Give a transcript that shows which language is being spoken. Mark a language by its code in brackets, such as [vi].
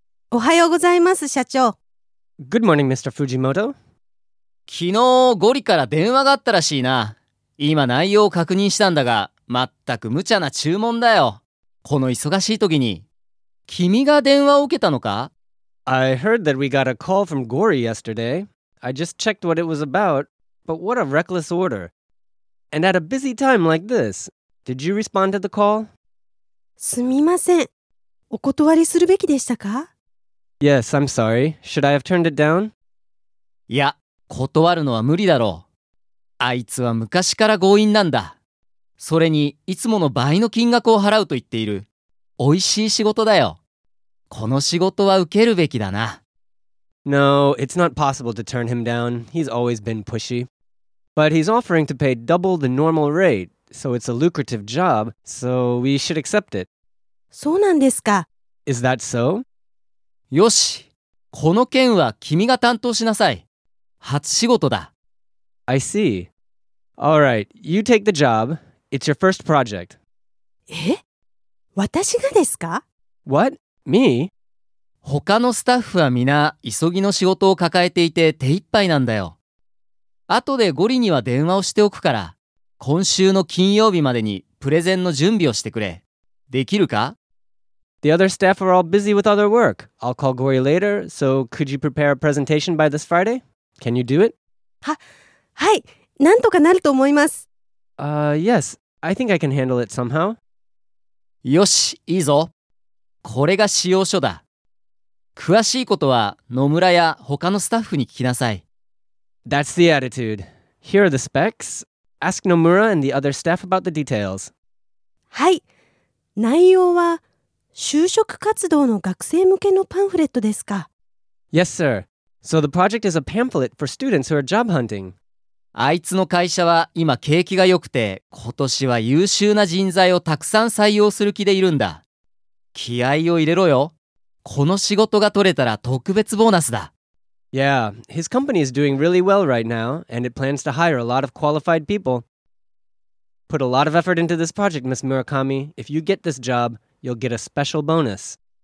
[ja] おはようございます、社長。 [en] Good morning, Mr. Fujimoto. [ja] 昨日ゴリから電話があったらしいな。今内容を確認したんだが、全く無茶な注文だよ。この忙しい時に。君が電話を受けたのか？ [en] I heard that we got a call from Gori yesterday. I just checked what it was about, but what a reckless order. And at a busy time like this, did you respond to the call? [ja] すみません。お断りするべきでしたか？ [en] Yes, I'm sorry. Should I have turned it down? [ja] いや、断るのは無理だろう。あいつは昔から強引なんだ。それに、いつもの倍の金額を払うと言っている。おいしい仕事だよ。この仕事は受けるべきだな。 [en] No, it's not possible to turn him down. He's always been pushy. But he's offering to pay double the normal rate, so it's a lucrative job, so we should accept it. [ja] そうなんですか。 [en] Is that so? [ja] よし、この件は君が担当しなさい。初仕事だ。 [en] I see. All right, you take the job. It's your first project. [ja] え？私がですか？ [en] What? Me? [ja] 他のスタッフは皆急ぎの仕事を抱えていて手一杯なんだよ。後でゴリには電話をしておくから、今週の金曜日までにプレゼンの準備をしてくれ。できるか？ [en] The other staff are all busy with other work. I'll call Gori later, so could you prepare a presentation by this Friday? Can you do it? [ja] はい、なんとかなると思います。 [en] Yes, I think I can handle it somehow. [ja] よし、いいぞ。これが使用書だ。詳しいことは野村や他のスタッフに聞きなさい。 [en] That's the attitude. Here are the specs. Ask Nomura and the other staff about the details. [ja] はい。内容は就職活動の学生向けのパンフレットですか? [en] Yes, sir. So the project is a pamphlet for students who are job hunting. [ja] あいつの会社は今景気が良くて、今年は優秀な人材をたくさん採用する気でいるんだ。気合を入れろよ。この仕事が取れたら特別ボーナスだ。 [en] Yeah, his company is doing really well right now, and it plans to hire a lot of qualified people. Put a lot of effort into this project, Ms. Murakami. If you get this job, you'll get a special bonus.